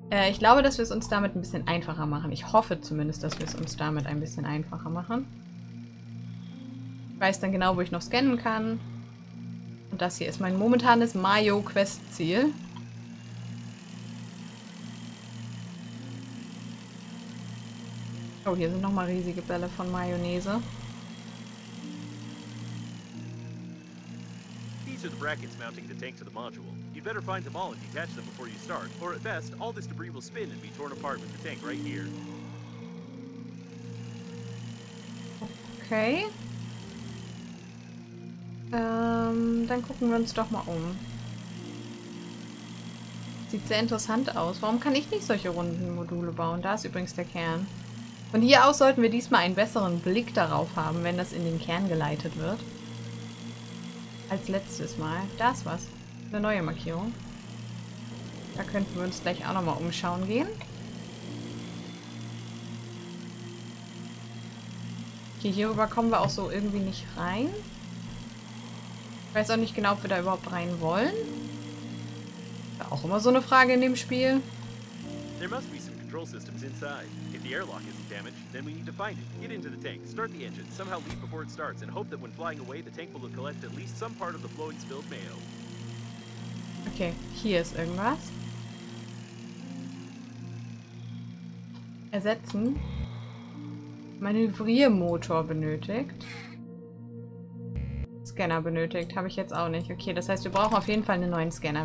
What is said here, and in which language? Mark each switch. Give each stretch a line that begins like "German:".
German: Ich glaube, dass wir es uns damit ein bisschen einfacher machen. Ich hoffe zumindest, dass wir es uns damit ein bisschen einfacher machen. Ich weiß dann genau, wo ich noch scannen kann. Und das hier ist mein momentanes Mayo-Quest-Ziel. Oh, hier sind nochmal riesige Bälle von Mayonnaise.
English: These are the brackets mounting the tank to the module. You'd better find them all and detach them before you start, or at best, all this debris will spin and be torn apart with the tank right here.
German: Okay. Dann gucken wir uns doch mal um. Sieht sehr interessant aus. Warum kann ich nicht solche runden Module bauen? Da ist übrigens der Kern. Von hier aus sollten wir diesmal einen besseren Blick darauf haben, wenn das in den Kern geleitet wird. Als letztes Mal. Da ist was. Eine neue Markierung. Da könnten wir uns gleich auch nochmal umschauen gehen. Okay, hierüber kommen wir auch so irgendwie nicht rein. Ich weiß auch nicht genau, ob wir da überhaupt rein wollen. Ist ja auch immer so eine Frage in dem Spiel.
English: There must be some control systems inside. If the airlock isn't damaged, then we need to find it. Get into the tank, start the engine, somehow leave before it starts, and hope that when flying away, the tank will have collected at least some part of the flowing spilled mayo.
German: Okay, hier ist irgendwas. Ersetzen. Manövriermotor benötigt. Scanner benötigt, habe ich jetzt auch nicht. Okay, das heißt, wir brauchen auf jeden Fall einen neuen Scanner.